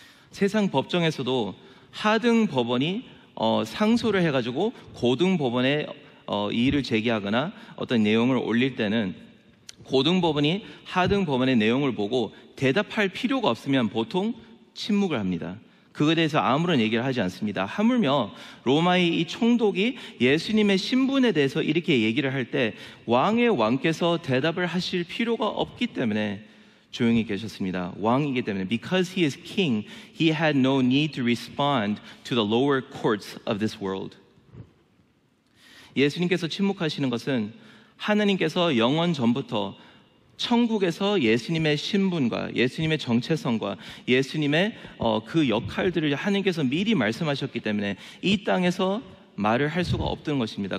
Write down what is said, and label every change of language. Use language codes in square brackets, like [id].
[ko] 세상 법정에서도 하등 법원이 상소를 해가지고 고등 법원에 이의를 제기하거나 어떤 내용을 올릴 때는 고등 법원이 하등 법원의 내용을 보고 대답할 필요가 없으면 보통 침묵을 합니다. 그거에 대해서 아무런 얘기를 하지 않습니다. 하물며 로마의 이 총독이 예수님의 신분에 대해서 이렇게 얘기를 할 때 왕의 왕께서 대답을 하실 필요가 없기 때문에 조용히 계셨습니다. 왕이기 때문에 [en] Because he is king, he had no need to respond to the lower courts of this world. [ko] 예수님께서 침묵하시는 것은 하나님께서 영원 전부터 천국에서 예수님의 신분과 예수님의 정체성과 예수님의 그 역할들을 하나님께서 미리 말씀하셨기 때문에 이 땅에서 말을 할 수가 없던 것입니다.